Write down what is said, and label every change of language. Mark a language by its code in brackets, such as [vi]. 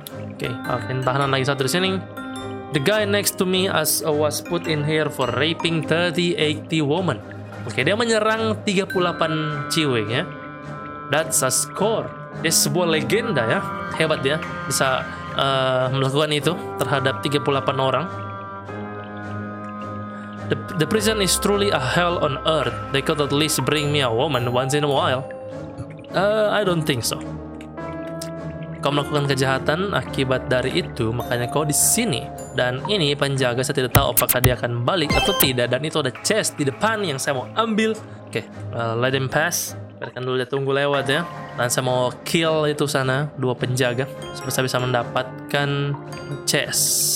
[id] Oke, tahanan lagi satu di sini. [en] The guy next to me was put in here for raping 38 women. [id] Oke, dia menyerang 38 cewek ya. [en] That's a score. [id] Dia sebuah legenda ya. Hebat ya. Bisa melakukan itu terhadap 38 orang. [en] The prison is truly a hell on earth. They could at least bring me a woman once in a while. I don't think so. [id] Kau melakukan kejahatan akibat dari itu, makanya kau di sini. Dan ini penjaga, saya tidak tahu apakah dia akan balik atau tidak. Dan itu ada chest di depan yang saya mau ambil. Oke, [en] let him pass. [id] Biarkan dulu dia tunggu lewat ya. Dan saya mau kill itu sana, dua penjaga, supaya saya bisa mendapatkan chest.